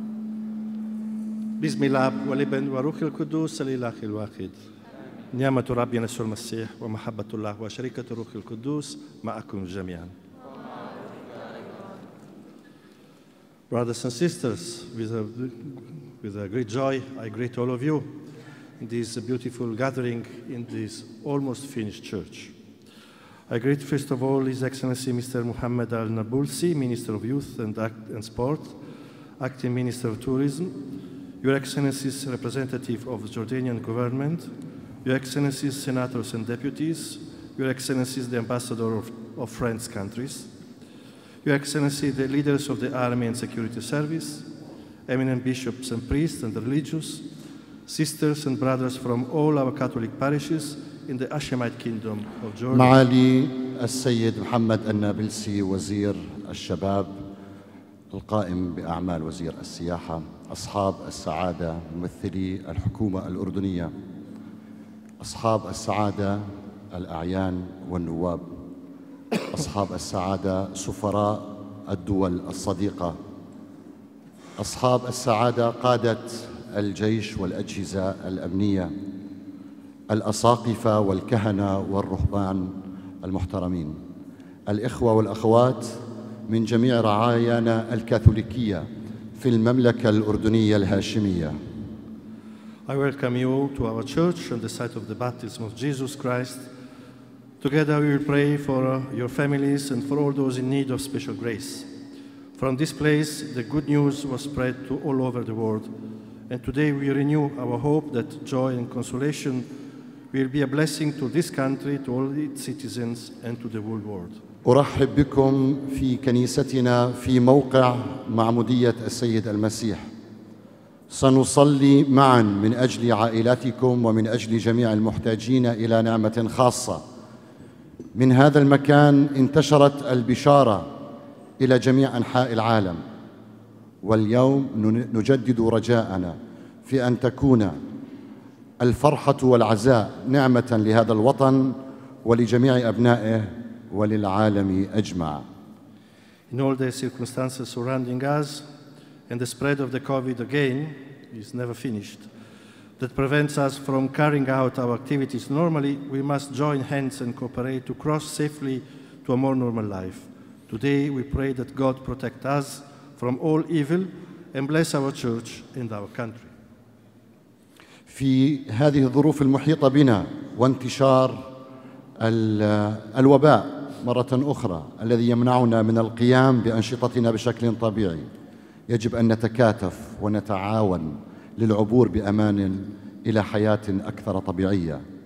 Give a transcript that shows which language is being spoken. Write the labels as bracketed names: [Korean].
[Arabic] والابن والروح القدوس الإله الواحد. نعمة الرب يسوع المسيح ومحبة الله وشركة الروح القدوس معكم جميعا. [English] Brothers and sisters, with a great joy, I greet all of you in this beautiful gathering in this almost finished church. I greet first of all His Excellency Mr. Mohammed Al-Nabulsi, Minister of Youth and Sport, Acting Minister of Tourism, Your Excellency's representative of the Jordanian government, Your Excellency's senators and deputies, Your Excellency's the ambassador of friends countries, Your Excellency the leaders of the army and security service, eminent bishops and priests and religious, sisters and brothers from all our Catholic parishes in the Hashemite kingdom of Jordan. [Arabic] معالي السيد محمد النابلسي وزير الشباب القائم بأعمال وزير السياحة، أصحاب السعادة ممثلي الحكومة الأردنية، أصحاب السعادة الأعيان والنواب، أصحاب السعادة سفراء الدول الصديقة، أصحاب السعادة قادة الجيش والأجهزة الأمنية، الأساقفة والكهنة والرهبان المحترمين، الإخوة والأخوات من جميع رعايانا الكاثوليكية في المملكة الأردنية الهاشمية. [English] I welcome you to our church on the site of the baptism of Jesus Christ. Together we will pray for your families and for all those in need of special grace. From this place, the good news was spread to all over the world. And today we renew our hope that joy and consolation will be a blessing to this country, to all its citizens, and to the whole world. [Arabic] أرحب بكم في كنيستنا في موقع معمودية السيد المسيح. سنصلي معا من أجل عائلاتكم ومن أجل جميع المحتاجين إلى نعمة خاصة. من هذا المكان انتشرت البشارة إلى جميع أنحاء العالم، واليوم نجدد رجاءنا في أن تكون الفرحة والعزاء نعمة لهذا الوطن ولجميع أبنائه وللعالم أجمع. [English] In all the circumstances surrounding us and the spread of the COVID again is never finished, that prevents us from carrying out our activities normally, we must join hands and cooperate to cross safely to a more normal life. Today we pray that God protect us from all evil and bless our church and our country. [Arabic] في هذه الظروف المحيطة بنا وانتشار الوباء مرة أخرى الذي يمنعنا من القيام بأنشطتنا بشكل طبيعي، يجب أن نتكاتف ونتعاون للعبور بأمان إلى حياة أكثر طبيعية.